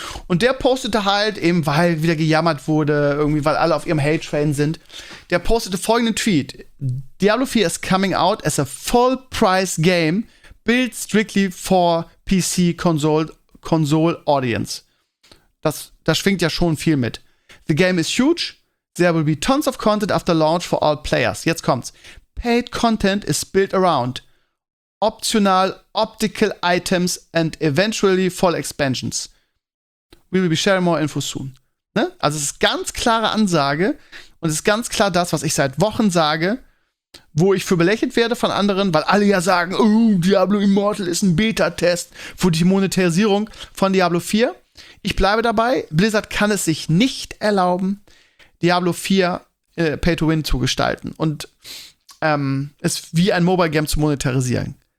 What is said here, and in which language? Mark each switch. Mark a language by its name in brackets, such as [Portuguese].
[German] Und der postete halt eben, weil wieder gejammert wurde, irgendwie, weil alle auf ihrem Hate-Train sind, der postete folgenden Tweet: [English] Diablo 4 is coming out as a full-price game built strictly for PC-Console Audience. [German] Das schwingt ja schon viel mit. [English] The game is huge. There will be tons of content after launch for all players. [German] Jetzt kommt's. [English] Paid content is built around optional optical items and eventually full expansions. We will be sharing more info soon. [German] Ne? Also es ist ganz klare Ansage und es ist ganz klar das, was ich seit Wochen sage, wo ich für belächelt werde von anderen, weil alle ja sagen, oh, Diablo Immortal ist ein Beta-Test für die Monetarisierung von Diablo 4. Ich bleibe dabei, Blizzard kann es sich nicht erlauben, Diablo 4 Pay-to-Win zu gestalten und es wie ein Mobile-Game zu monetarisieren.